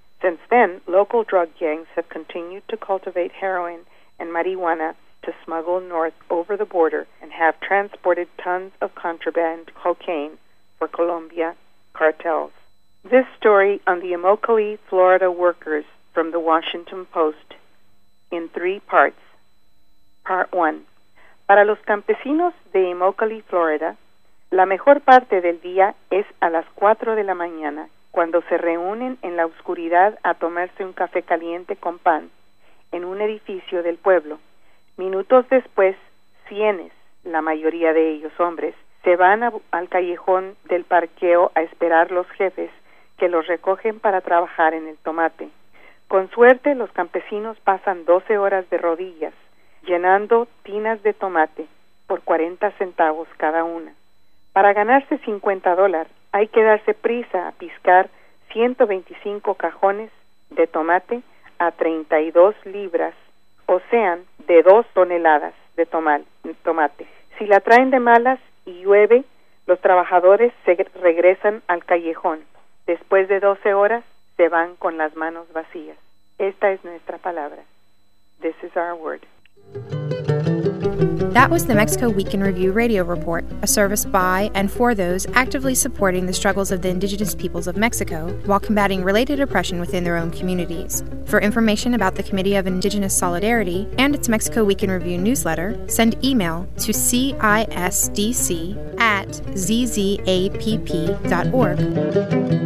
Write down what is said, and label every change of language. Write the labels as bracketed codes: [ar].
[en] Since then, local drug gangs have continued to cultivate heroin and marijuana to smuggle north over the border and have transported tons of contraband cocaine for Colombia cartels. This story on the Immokalee, Florida workers from the Washington Post in three parts. Part 1. [es] Para los campesinos de Immokalee, Florida, la mejor parte del día es a las 4 de la mañana, cuando se reúnen en la oscuridad a tomarse un café caliente con pan en un edificio del pueblo. Minutos después, cienes, la mayoría de ellos hombres, se van al callejón del parqueo a esperar los jefes que los recogen para trabajar en el tomate. Con suerte, los campesinos pasan 12 horas de rodillas, llenando tinas de tomate por 40 centavos cada una. Para ganarse $50, hay que darse prisa a piscar 125 cajones de tomate a 32 libras, o sean, de 2 toneladas de tomate. Si la traen de malas y llueve, los trabajadores se regresan al callejón. Después de 12 horas, se van con las manos vacías. Esta es nuestra palabra. [en] This is our word. That was the Mexico Week in Review radio report, a service by and for those actively supporting the struggles of the indigenous peoples of Mexico while combating related oppression within their own communities. For information about the Committee of Indigenous Solidarity and its Mexico Week in Review newsletter, send email to cisdc@zzapp.org.